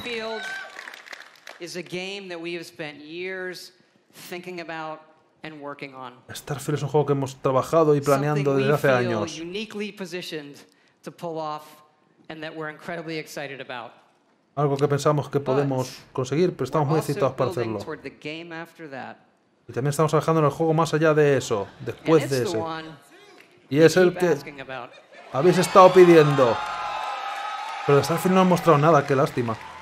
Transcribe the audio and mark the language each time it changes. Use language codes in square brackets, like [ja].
[en] Starfield is a game that we have spent years thinking about and working on. [es] Starfield es un juego que hemos trabajado y planeando desde hace años. [en] Something we feel uniquely positioned to pull off and that we're incredibly excited about. [es] Algo que pensamos que podemos conseguir, pero estamos muy excitados para hacerlo. Y también estamos trabajando en el juego más allá de eso, después de ese. Y es el que habéis estado pidiendo. Pero de Starfield no han mostrado nada, qué lástima.